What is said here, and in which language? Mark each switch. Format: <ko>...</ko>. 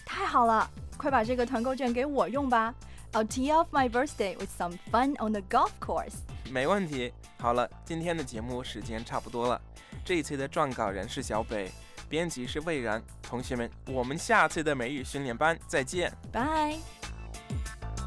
<zh>太好了，快把这个团购券给我用吧。</zh> <en>I'll tee off my birthday with some fun on the golf course.</en> <zh>没问题。好了，今天的节目时间差不多了。这一次的撰稿人是小北。编辑是魏然，同学们，我们下次的美语训练班再见，拜。</zh>